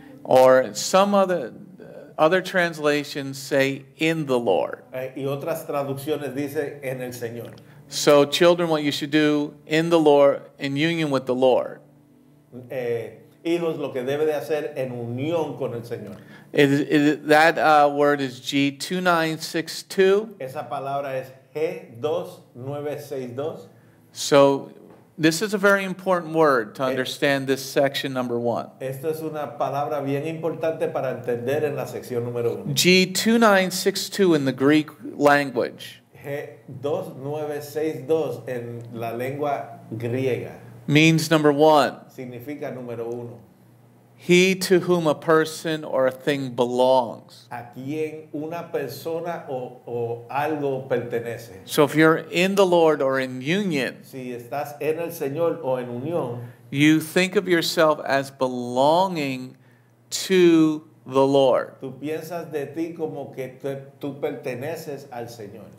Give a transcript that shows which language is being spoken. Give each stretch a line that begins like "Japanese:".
English: Or some other translations say in the Lord.
Spanish: Y otras traducciones dice en el Señor.
English: So children, what you should do in the Lord, in union with the Lord.
Spanish: Hijos, lo que debe de hacer en unión con el Señor.
English: That word is G2962.
Spanish: Esa palabra es G2962.
English: So this is a very important word to understand this section number 1.
Spanish: Esto es una palabra bien importante para entender en la sección número 1.
English: G2962 in the Greek language.
Spanish: G2962 en la lengua griega.
English: Means number 1.
Spanish: Significa número 1.
English: He to whom a person or a thing belongs.
Spanish: A quien una persona o algo pertenece.
English: So if you're in the Lord or in union,
Spanish: si estás en el Señor o en unión,
English: you think of yourself as belonging to the Lord.
Spanish: Tú piensas de ti como que tú perteneces al Señor.